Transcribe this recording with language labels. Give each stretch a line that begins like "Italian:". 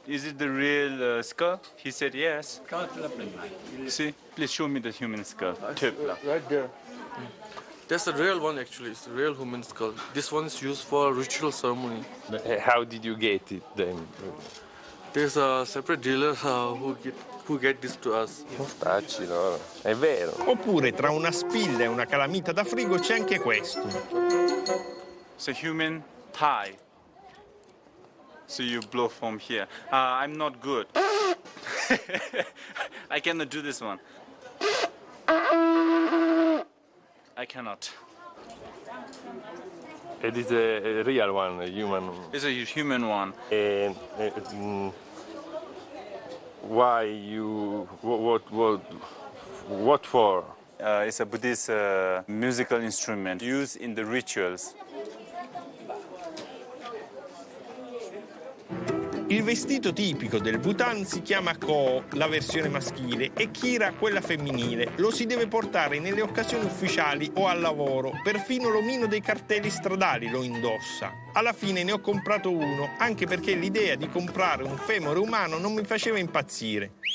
English: Is it the real skull? He said yes. Sì, please show me the human skull. Right there. That's a real one actually, it's a real human skull. This one is used for a ritual ceremony. How did you get it then? There's a separate dealer who get this to us.
Italian: Mostacci, no? È vero. Oppure tra una spilla e una calamita da frigo c'è anche questo.
English: It's a human thigh. So you blow from here. I'm not good. I cannot do this one. I cannot. It is a real one, a human. It's a human one. Why you? What for? It's a Buddhist musical instrument used in the rituals.
Italian: Il vestito tipico del Bhutan si chiama Kho, la versione maschile, e Kira, quella femminile. Lo si deve portare nelle occasioni ufficiali o al lavoro. Perfino l'omino dei cartelli stradali lo indossa. Alla fine ne ho comprato uno, anche perché l'idea di comprare un femore umano non mi faceva impazzire.